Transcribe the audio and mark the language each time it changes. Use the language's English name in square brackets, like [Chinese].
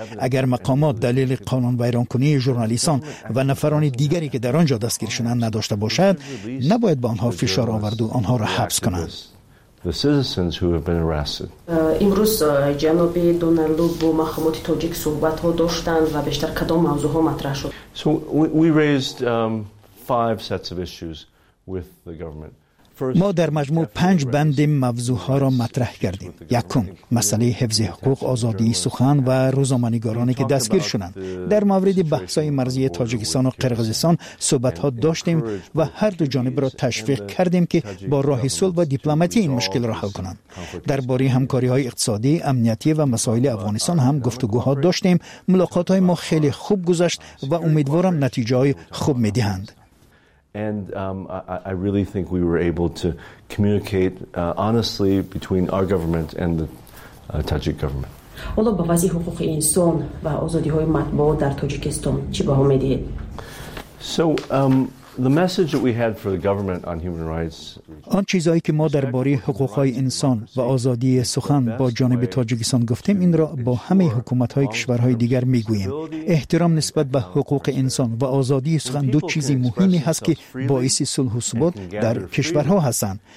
[Persian] اگر مقامات دلیل قانون ویرانکنی ژورنالیستان و نفران دیگری که در آنجا دستگیر شدند نداشته باشد، نباید به آنها فشار آورد و آنها را حبس کنند. [English] The citizens who have been arrested. [Persian] امروز جناب دونالدو با مخامات تاجیک صحبت ها داشتند و بیشتر کدام موضوع ها مطرح شد؟ [English] So we raised 5 sets of issues with the government. [Persian] ما در مجموع 5 بند موضوع ها را مطرح کردیم. یکم، مسئله حفظ حقوق، آزادی سخن و روزنامه‌نگارانی که دستگیر شدند. در مورد بحث‌های مرزی تاجیکستان و قرقیزستان صحبت‌ها داشتیم و هر دو جانب را تشویق کردیم که با راه صلح و دیپلماتی این مشکل را حل کنند. درباره همکاری‌های اقتصادی، امنیتی و مسائل افغانستان هم گفتگوها داشتیم. ملاقات‌های ما خیلی خوب گذشت و امیدوارم نتایج خوب می‌دهند. [English] And I really think we were able to communicate honestly between our government and the Tajik government. [Persian] حالا با وضعیت حقوق انسان و آزادی‌های مطبوعات در تاجیکستان چی به هم می‌دهید؟ [English] The message that we had for the government on human rights. [Persian] آن چیزایی که ما درباره حقوق‌های انسان و آزادی سخن با جانب تاجیکستان گفتیم، این را با همه حکومت‌های کشورهای دیگر می‌گوییم. احترام نسبت به حقوق انسان و آزادی سخن دو چیزی مهمی هست که باعث صلح و ثبات در کشورها هستند.